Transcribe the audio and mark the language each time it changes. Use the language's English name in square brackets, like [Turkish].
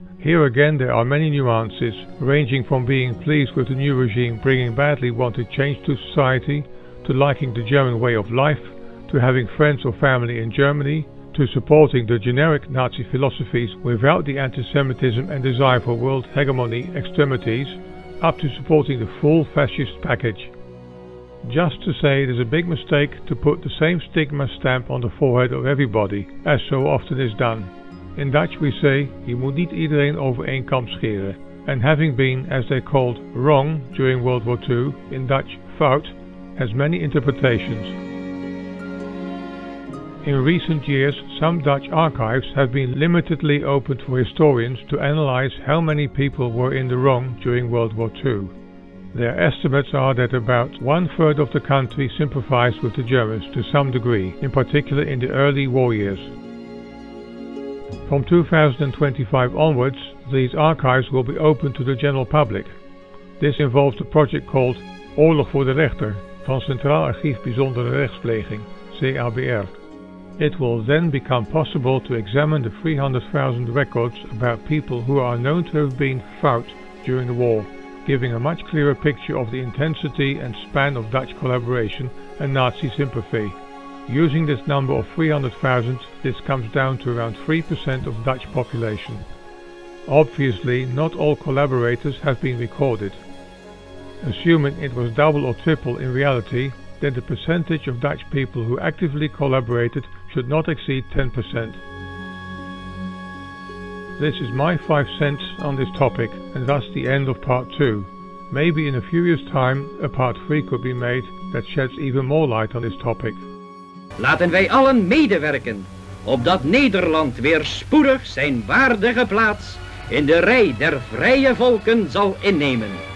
[English] Here again there are many nuances, ranging from being pleased with the new regime bringing badly wanted change to society, to liking the German way of life, to having friends or family in Germany, to supporting the generic Nazi philosophies without the anti-Semitism and desire for world hegemony extremities, up to supporting the full fascist package. Just to say, it is a big mistake to put the same stigma stamp on the forehead of everybody, as so often is done. In Dutch we say, [Dutch] je moet niet iedereen over één kam scheren. [English] And having been, as they called, wrong during World War II, in Dutch, fout, has many interpretations. In recent years, some Dutch archives have been limitedly opened for historians to analyze how many people were in the wrong during World War II. Their estimates are that about one-third of the country sympathized with the Germans to some degree, in particular in the early war years. From 2025 onwards, these archives will be open to the general public. This involved a project called Oorlog voor de Rechter, van Centraal Archief Bijzondere Rechtspleging, CABR. It will then become possible to examine the 300,000 records about people who are known to have been fout during the war, giving a much clearer picture of the intensity and span of Dutch collaboration and Nazi sympathy. Using this number of 300,000, this comes down to around 3% of Dutch population. Obviously, not all collaborators have been recorded. Assuming it was double or triple in reality, then the percentage of Dutch people who actively collaborated should not exceed 10%. This is my 5 cents on this topic, and thus the end of part 2. Maybe in a few years' time, a part 3 could be made that sheds even more light on this topic. [Dutch] Laten wij allen medewerken, opdat Nederland weer spoedig zijn waardige plaats in de rij der vrije volken zal innemen.